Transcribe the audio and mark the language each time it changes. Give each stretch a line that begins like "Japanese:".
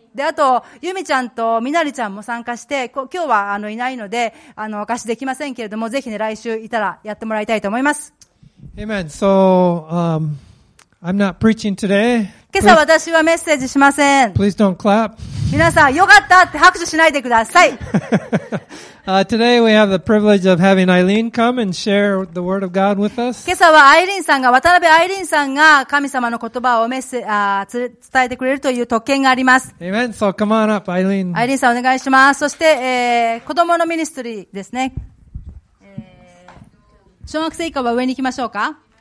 Japanese: で、あと、ゆみちゃんとみなりちゃんも参加して、今日はいないので、お貸しできませんけれども、ぜひね、来週いたらやってもらいたいと思います。
English: Amen. So, I'm not preaching today.
Japanese: 今朝私はメッセージしません。
English: Please don't clap.
Japanese: 皆さん、よかったって拍手しないでください。
English: Today we have the privilege of having Eileen come and share the word of God with us.
Japanese: 今朝はアイリンさんが渡辺アイリンさんが神様の言葉をメッセ、伝えてくれるという特権があります。
English: Amen. So come on up, Eileen.
Japanese: アイリンさんお願いします。そして、子供のミニストリーですね。小学生以下は上に行きましょうか。